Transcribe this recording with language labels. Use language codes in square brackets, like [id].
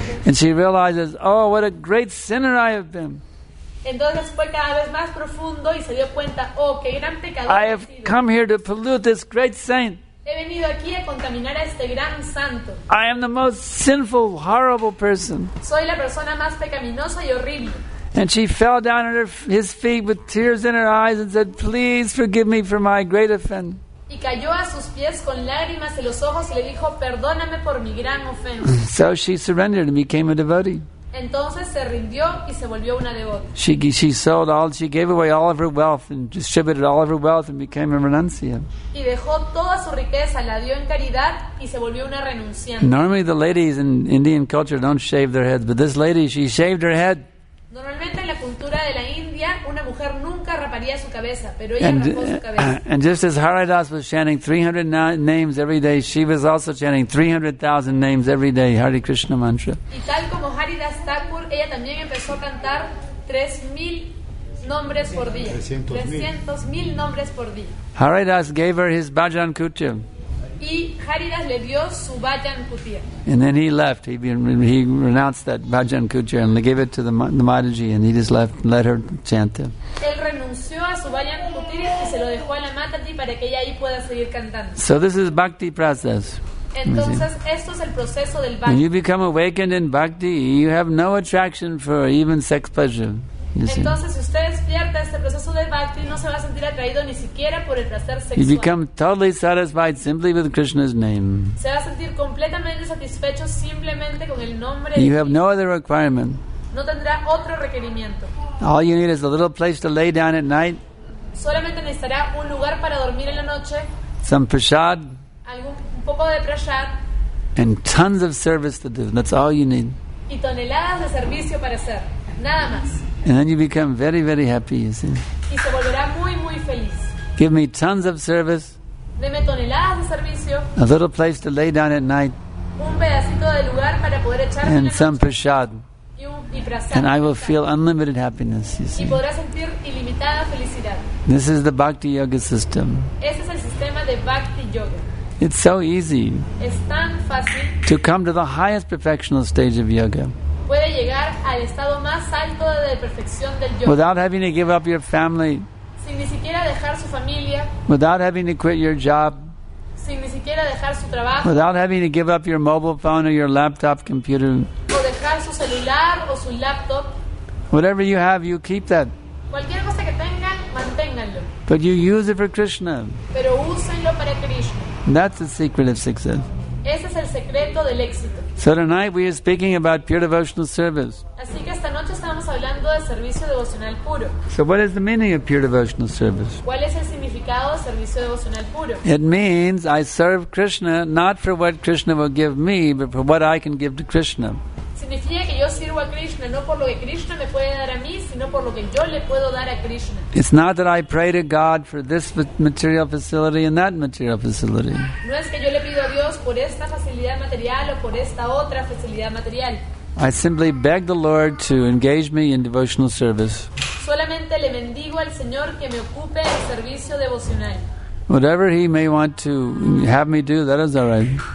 [en] And she realizes, oh, what a great sinner I have been. [es] Entonces fue cada vez más profundo y se dio cuenta, oh, qué gran pecador. [en] I have come here to pollute this great saint. [es] He venido aquí a contaminar a este gran santo. [en] I am the most sinful, horrible person. [es] Soy la persona más pecaminosa y horrible. [en] And she fell down at his feet with tears in her eyes and said, please forgive me for my great offense. [es] Y cayó a sus pies con lágrimas en los ojos y le dijo, perdóname por mi gran ofensa. [en] So she surrendered and became a devotee. [es] Entonces se rindió y se volvió una devota. [en] She gave away all of her wealth and distributed all of her wealth and became a renuncia. [es] Y dejó toda su riqueza, la dio en caridad y se volvió una renunciante. [en] Normally the ladies in Indian culture don't shave their heads, but this lady, she shaved her head. [es] Normalmente en la cultura de la India, una mujer nunca raparía su cabeza, pero ella rapó su cabeza. [en] And just as Haridas was chanting 300 names every day, she was also chanting 300,000 names every day, Hare Krishna mantra. [es] Y tal como Haridas Thakur, ella también empezó a cantar 3,000 nombres por día. 300,000 nombres por día. [en] Haridas gave her his bhajan kutya. [es] Y Haridas le dio su bhajan kutya. [en] And then he left. He renounced that bhajan kutya and gave it to the Mataji, and he just left, let her chant there. [es] Él renunció a su bhajan kutya y se lo dejó a la Mataji para que ella ahí pueda seguir cantando. [en] So this is bhakti process. [es] Entonces, esto es el proceso del bhakti. [en] When you become awakened in bhakti, you have no attraction for even sex pleasure. [es] Entonces, si usted despierta este proceso de bhakti, no se va a sentir atraído ni siquiera por el placer sexual. [en] You become totally satisfied simply with Krishna's name. [es] Se va a sentir completamente satisfecho simplemente con el nombre. [en] You have no other requirement. [es] No tendrá otro requerimiento. [en] All you need is a little place to lay down at night. [es] Solamente necesitará un lugar para dormir en la noche. [en] Some prasad. [es] Algún un poco de prasad. [en] And tons of service to do. That's all you need. [es] Y toneladas de servicio para hacer. Nada más. [en] And then you become very, very happy, you see. [es] Y se volverá muy, muy feliz. [en] Give me tons of service. [es] Deme toneladas de servicio. [en] A little place to lay down at night. [es] Un pedacito de lugar para poder echarse. [en] And some prasad. [es] Y prasad. [en] And I will feel unlimited happiness, you see. [es] Y podrá sentir ilimitada felicidad. [en] This is the bhakti yoga system. [es] Ese es el sistema de bhakti yoga. [en] It's so easy. [es] Es tan fácil. [en] To come to the highest perfectional stage of yoga. [es] Puede llegar al estado más alto de perfección del yoga. [en] Without having to give up your family. [es] Sin ni siquiera dejar su familia. [en] Without having to quit your job. [es] Sin ni siquiera dejar su trabajo. [en] Without having to give up your mobile phone or your laptop computer. [es] O dejar su celular o su laptop. [en] Whatever you have, you keep that. [es] Cualquier cosa que tengan, manténganlo. [en] But you use it for Krishna. [es] Pero úsenlo para Krishna. [en] And that's the secret of success. [es] Ese es el secreto del éxito. [en] So tonight we are speaking about pure devotional service. [es] Así que esta noche estamos hablando de servicio devocional puro. [en] So what is the meaning of pure devotional service? [es] ¿Cuál es el significado de servicio devocional puro? [en] It means I serve Krishna not for what Krishna will give me, but for what I can give to Krishna. [es] Significa que yo sirvo a Krishna no por lo que Krishna me puede dar a mí, sino por lo que yo le puedo dar a Krishna. [en] It's not that I pray to God for this material facility and that material facility. [es] No es que yo le pido a Dios por esta facilidad material o por esta otra facilidad material. [en] I simply beg the Lord to engage me in devotional service. [es] Solamente le mendigo al Señor que me ocupe el servicio devocional. [en] Whatever He may want to have me do, that is all right.